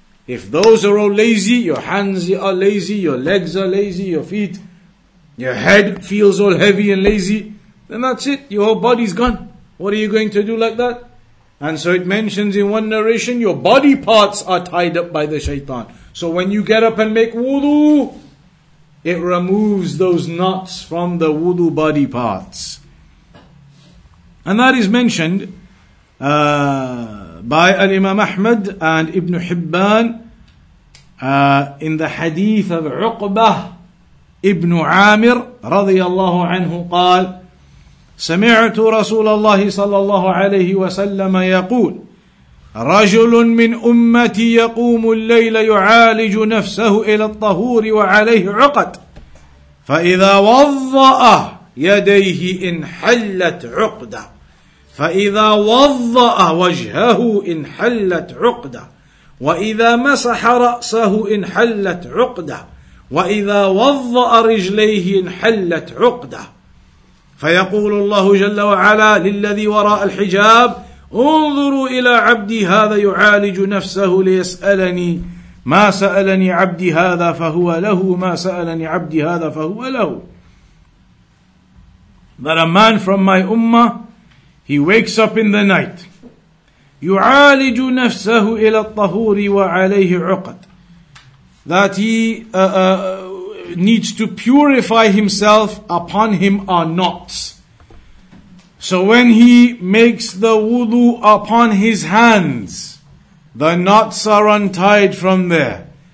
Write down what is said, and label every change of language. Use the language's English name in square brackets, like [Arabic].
[English] If those are all lazy, your hands are lazy, your legs are lazy, your feet, your head feels all heavy and lazy, then that's it, your whole body's gone. What are you going to do like that? And so it mentions in one narration, your body parts are tied up by the shaitan. So when you get up and make wudu, it removes those knots from the wudu body parts. And that is mentioned by Al-Imam Ahmad and Ibn Hibban in the hadith of Uqbah Ibn Amir radiyallahu anhu [Arabic] قال سمعت رسول الله صلى الله عليه وسلم يقول رجل من أمتي يقوم الليل يعالج نفسه إلى الطهور وعليه عقد فإذا وضأ يديه انحلت عقدة فإذا وضأ وجهه انحلت عقدة وإذا مسح رأسه انحلت عقدة وإذا وضأ رجليه انحلت عقدة فيقول الله جل وعلا للذي وراء الحجاب انظروا إلى عبدي هذا يعالج نفسه ليسألني ما سألني عبدي هذا فهو له ما سألني عبدي هذا فهو له. [English] But a man from my ummah, he wakes up in the night. [Arabic] يعالج نفسه إلى الطهور وعليه عقد. [English] That he needs to purify himself, upon him are knots. So when he makes the wudu upon his hands, the knots are untied from there.